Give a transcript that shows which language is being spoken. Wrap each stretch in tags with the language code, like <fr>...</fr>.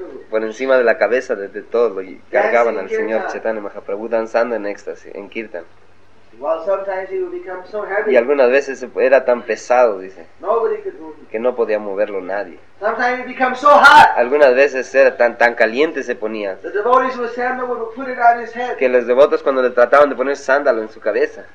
<es>Por encima de la cabeza de todos lo cargaban al Señor Chaitanya Mahaprabhu danzando en éxtasis, en kirtan.</es> <en>While sometimes he would become so heavy.</en> <es>Y algunas veces era tan pesado, dice.</es> <en>Nobody could move him.</en> <es>Que no podía moverlo nadie.</es> <en>Sometimes he'd become so hot.</en> <es>Algunas veces era tan caliente se ponía.</es> <en>The devotees would sandal would put it on his head.</en> <es>Que los devotos cuando le trataban de poner sándalo en su cabeza.</es>